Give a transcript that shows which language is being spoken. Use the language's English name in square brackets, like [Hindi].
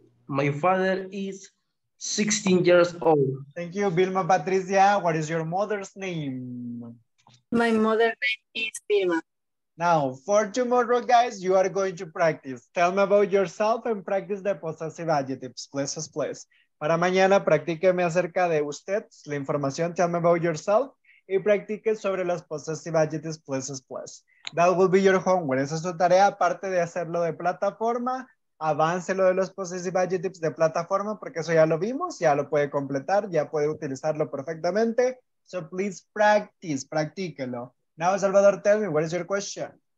[English] My father is 16 years old. Thank you, Vilma Patricia. What is your mother's name? My mother's name is Vilma. Now, for tomorrow, guys, you are going to practice. Tell me about yourself and practice the possessive adjectives. Please, please. [Spanish] Para mañana, practíqueme acerca de usted, la información. [English] Tell me about yourself. [Spanish] Y practique sobre las [English] possessive adjectives, please, please. That will be your homework. [Spanish] Esa es su tarea, aparte de hacerlo de plataforma. Avance lo de los possessive adjectives de plataforma, porque eso ya lo vimos, ya lo puede completar, ya puede utilizarlo perfectamente. [English] So please practice, [Spanish] practíquelo. [English] Now, Salvador, tell me, what is your question?